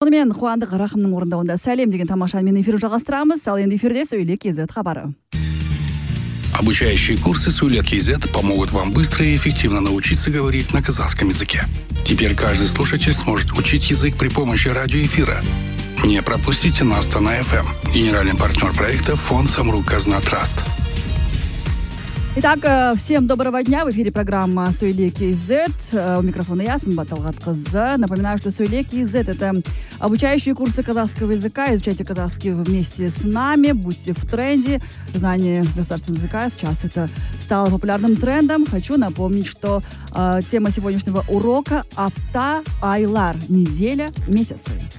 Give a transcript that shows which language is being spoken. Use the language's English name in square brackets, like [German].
[Kazakh] Сонымен Қуандық Рахымның орындауында «Сәлем» деген тамаша әнмен эфир жалғастырамыз. Ал енді эфирде «Сөйле кезет» хабары. [Russian] Обучающие курсы «Сөйле кезет» помогут вам быстро и эффективно научиться говорить на казахском языке. Теперь каждый слушатель сможет учить язык при помощи радиоэфира. Не пропустите нас на FM. Генеральный партнер проекта «Фонд Самрук Казна Траст». Итак, всем доброго дня. В эфире программа «Сөйле кезет». У микрофона я, Сымбат Талғатқызы. Напоминаю, что «Сөйле кезет» — это обучающие курсы казахского языка. Изучайте казахский вместе с нами. Будьте в тренде. Знание государственного языка сейчас это стало популярным трендом. Хочу напомнить, что тема сегодняшнего урока — «Апта Айлар» — «Неделя, месяцы».